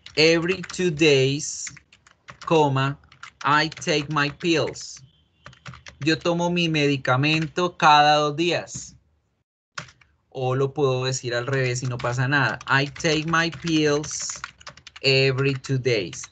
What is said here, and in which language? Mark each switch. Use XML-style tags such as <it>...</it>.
<en>Every 2 days, comma, I take my pills.</en> <es>Yo tomo mi medicamento cada 2 días. O lo puedo decir al revés y no pasa nada.</es> <en>I take my pills every 2 days.</en>